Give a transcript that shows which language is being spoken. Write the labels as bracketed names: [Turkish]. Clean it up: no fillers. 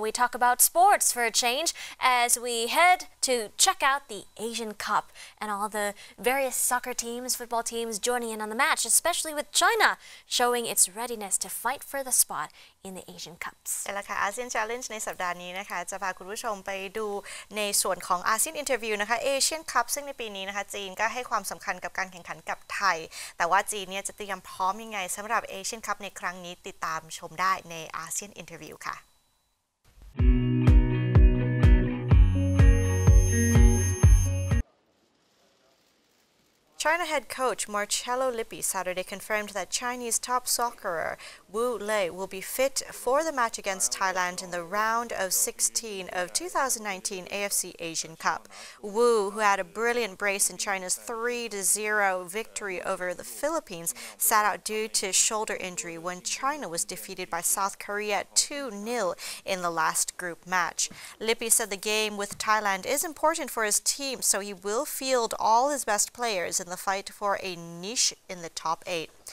[English] We talk about sports for a change as we head to check out the Asian Cup and all the various soccer teams, football teams joining in on the match, especially with China showing its readiness to fight for the spot in the Asian Cups. [Thai] แล้วค่ะ ASEAN Challenge ในสัปดาห์นี้นะคะจะพาคุณผู้ชมไปดูในส่วนของ ASEAN Interview นะคะ Asian Cup ซึ่งในปีนี้นะคะจีนก็ให้ความสำคัญกับการแข่งขันกับไทย แต่ว่าจีนเนี่ยจะเตรียมพร้อมยังไงสำหรับ Asian Cup ในครั้งนี้ตามชมได้ใน ASEAN Interview ค่ะ [English] China head coach Marcello Lippi Saturday confirmed that Chinese top soccerer Wu Lei will be fit for the match against Thailand in the round of 16 of 2019 AFC Asian Cup. Wu, who had a brilliant brace in China's 3-0 victory over the Philippines, sat out due to shoulder injury when China was defeated by South Korea 2-0 in the last group match. Lippi said the game with Thailand is important for his team, so he will field all his best players in the fight for a niche in the top eight.